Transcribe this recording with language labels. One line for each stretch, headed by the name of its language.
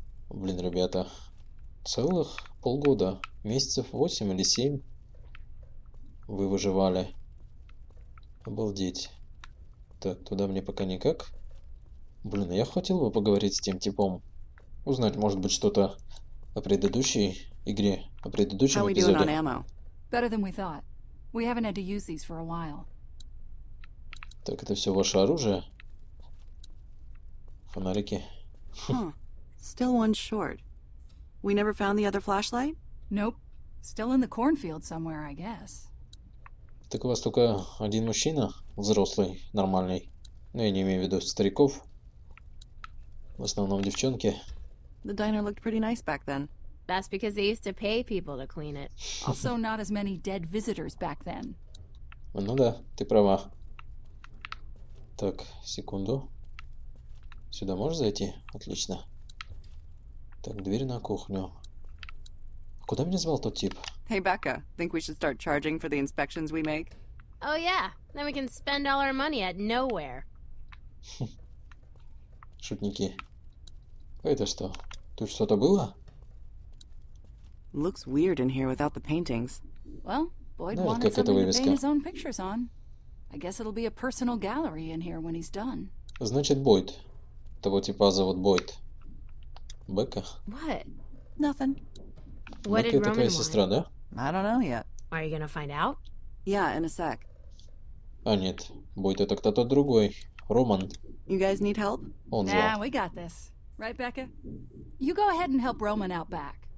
Russian: Блин, ребята. Целых полгода. Месяцев 8 или 7. Вы выживали. Обалдеть. Так, туда мне пока никак. Блин, я хотел бы поговорить с тем типом. Узнать, может быть, что-то о предыдущей игре, о предыдущем эпизоде.
English: Better than we thought. We haven't had to use these for a while.
Russian: Так, это все ваше оружие? Фонарики.
English: Still one short. We never found the other flashlight? Nope. Still in the cornfield somewhere, I guess.
Russian: Так у вас только один мужчина, взрослый, нормальный. Ну, я не имею в виду стариков. В основном девчонки.
English: The diner looked pretty nice back then. That's because they used to pay people to clean it. Also, not as many dead visitors back then.
Russian: Ну да, ты права. Так, секунду. Сюда можешь зайти? Отлично. Так, дверь на кухню. Куда меня звал тот тип?
English: Hey, Becca. Think we should start charging for the inspections we make? Oh, yeah. Then we can spend all our money at nowhere.
Russian: Шутники. А это что? Тут что-то было?
English: Looks weird in here without the paintings. Well, Boyd wanted something to paint his own pictures on. I guess it'll be a personal gallery in here when he's done.
Russian: Значит, Бойд. Того типа зовут Бойд. Бекка?
English: What? Nothing. What did Roman want?
Russian: Сестра, да?
English: I don't know yet. Are you gonna find out? Yeah, in a sec.
Russian: А нет, Бойд это кто-то другой. Роман.
English: You guys need help?
Russian: Он звал.
English: Nah, we got this. Right, Becca? You go ahead and help Roman out back.